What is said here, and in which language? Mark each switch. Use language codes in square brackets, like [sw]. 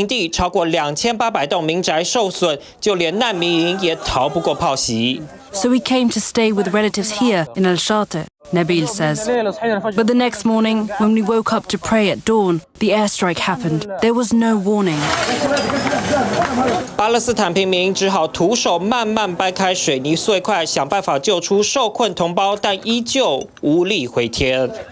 [zh] 超过2800栋民宅受损，就连难民营也逃不过炮袭。 [en] So we came to stay with relatives here in Al Shatir. Nabil says. But the next morning, when we woke up to pray at dawn, the airstrike happened. There was no warning. [zh] 巴勒斯坦平民只好徒手慢慢掰开水泥碎块，想办法救出受困同胞，但依旧无力回天。